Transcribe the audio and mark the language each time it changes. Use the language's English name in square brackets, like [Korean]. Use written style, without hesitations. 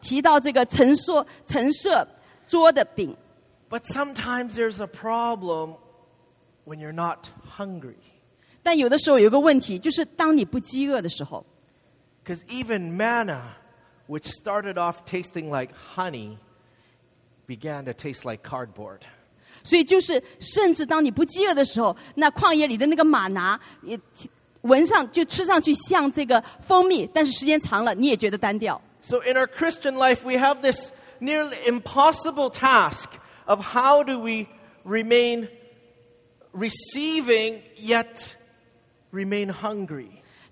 [Chinese] 所以在圣经里面，我们常常提到圣餐，也常常在这个会幕的里面提到这个陈设桌的饼。 [English] But sometimes there's a problem when you're not hungry. [Chinese] 但有的时候有个问题，就是当你不饥饿的时候。 [English] Because even manna, which started off tasting like honey, began to taste like cardboard. [Chinese] 所以就是甚至当你不饥饿的时候，那旷野里的那个玛拿，闻上就吃上去像这个蜂蜜，但是时间长了你也觉得单调。 [English] So in our Christian life, we have this nearly impossible task of how do we remain receiving yet remain hungry.